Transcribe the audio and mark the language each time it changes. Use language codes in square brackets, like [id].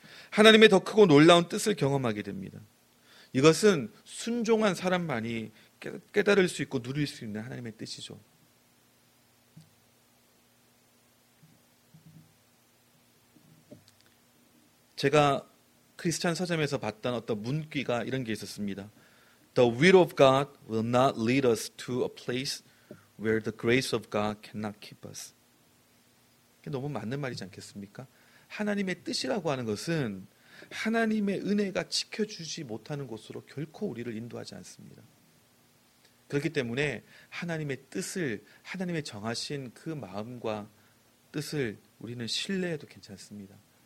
[ko] 하나님의 더 크고 놀라운 뜻을 경험하게 됩니다. 이것은 순종한 사람만이 깨달을 수 있고 누릴 수 있는 하나님의 뜻이죠. 제가 크리스찬 서점에서 봤던 어떤 문귀가 이런 게 있었습니다. [en] The will of God will not lead us to a place where the grace of God cannot keep us. [ko] 너무 맞는 말이지 않겠습니까? 하나님의 뜻이라고 하는 것은 하나님의 은혜가 지켜주지 못하는 곳으로 결코 우리를 인도하지 않습니다. 그렇기 때문에 하나님의 뜻을, 하나님의 정하신 그 마음과 뜻을 우리는 신뢰해도 괜찮습니다.